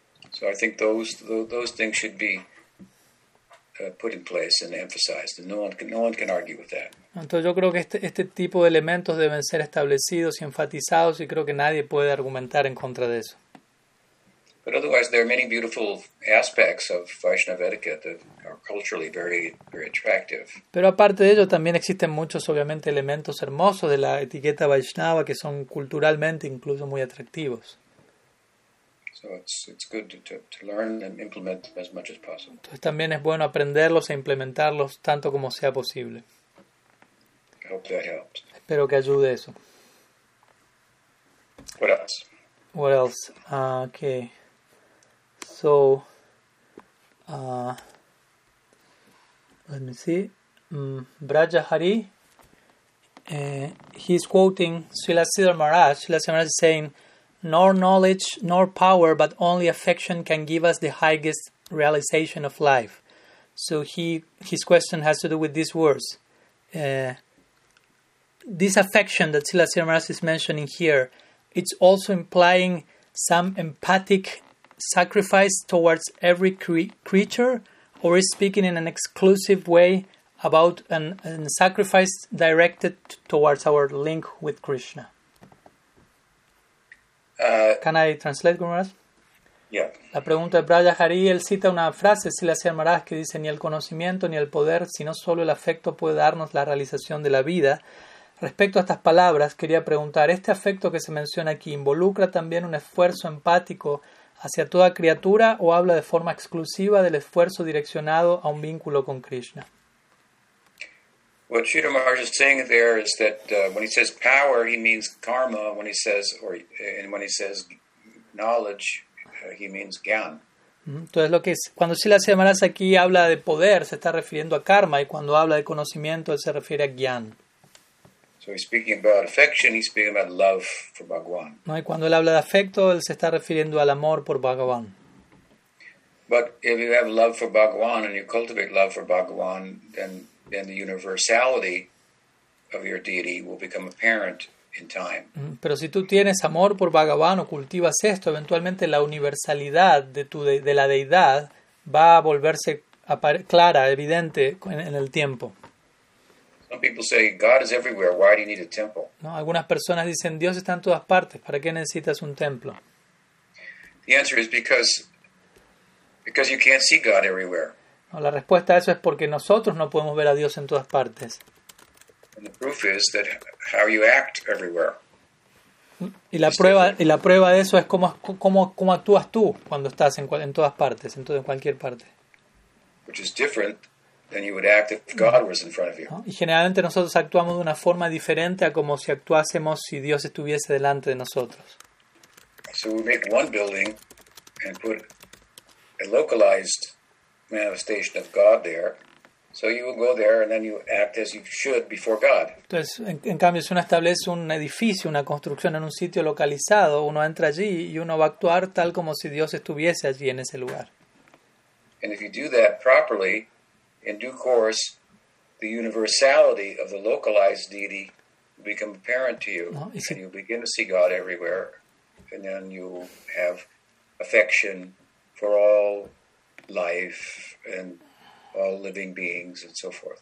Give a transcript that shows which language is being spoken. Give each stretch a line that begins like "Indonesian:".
English: So I think those things should be put in place and emphasized, and no one can argue with that.
Spanish: Entonces yo creo que este tipo de elementos deben ser establecidos y enfatizados, y creo que nadie puede argumentar en contra de eso.
English: But otherwise, there are many beautiful aspects of Vaishnava etiquette that are culturally very, very attractive.
Spanish: Pero aparte de ello, también existen muchos, obviamente, elementos hermosos de la etiqueta Vaishnava que son culturalmente incluso muy atractivos.
English: So it's good to learn and implement as much as possible.
Spanish: Entonces también es bueno aprenderlos e implementarlos tanto como sea posible.
English: I hope that helps.
Spanish: Espero que ayude eso.
English: What else? What else? Okay. So, let me see. Brajahari, he's quoting Srila Siddhar Maharaj. Srila Siddhar Maharaj is saying, nor knowledge nor power, but only affection can give us the highest realization of life. So his question has to do with these words. This affection that Srila Siddhar Maharaj is mentioning here, it's also implying some empathic sacrifice towards every creature, or is speaking in an exclusive way about an sacrifice directed towards our link with Krishna? Can I translate, Gurmaraj? Yeah.
Spanish: La pregunta de Braya Hari, él cita una frase, Sila Siamaraj, que dice, ni el conocimiento ni el poder, sino solo el afecto puede darnos la realización de la vida. Respecto a estas palabras, quería preguntar, ¿este afecto que se menciona aquí involucra también un esfuerzo empático hacia toda criatura o habla de forma exclusiva del esfuerzo direccionado a un vínculo con Krishna?
English: What Sri Maharaj is saying there is that when he says power, he means karma. When he says, knowledge, he means gyan.
Spanish: Entonces, lo que es, cuando Sila Siamaraj aquí habla de poder, se está refiriendo a karma, y cuando habla de conocimiento, él se refiere a gyan.
English: So he's speaking about affection, he's speaking about love for Bhagavan.
Spanish: No, y cuando él habla de afecto, él se está refiriendo al amor por Bhagavan.
English: But if you have love for Bhagavan and you cultivate love for Bhagavan, then the universality of your deity will become apparent in time.
Spanish: Pero si tú tienes amor por Bhagavan o cultivas esto, eventualmente la universalidad de la deidad va a volverse clara, evidente en el tiempo.
English: Some people say God is everywhere. Why do you need a temple?
Spanish: No, algunas personas dicen Dios está en todas partes. ¿Para qué necesitas un templo?
English: The answer is because you can't see God everywhere.
Spanish: No, la respuesta a eso es porque nosotros no podemos ver a Dios en todas partes.
English: And the proof is that how you act everywhere.
Spanish: Y la prueba de eso es cómo actúas tú cuando estás en todas partes, en todo, en cualquier parte.
English: Which is different than you would act if God was in front of you.
Spanish: ¿No? Y generalmente nosotros actuamos de una forma diferente a como si actuásemos si Dios estuviese delante de nosotros.
English: So we make one building and put a localized manifestation of God there. So you will go there and then you act as you should before God.
Spanish: Entonces, en cambio, si uno establece un edificio, una construcción en un sitio localizado, uno entra allí y uno va a actuar tal como si Dios estuviese allí en ese lugar.
English: And if you do that properly, in due course, the universality of the localized deity will become apparent to you, and you begin to see God everywhere, and then you have affection for all life and all living beings and so forth.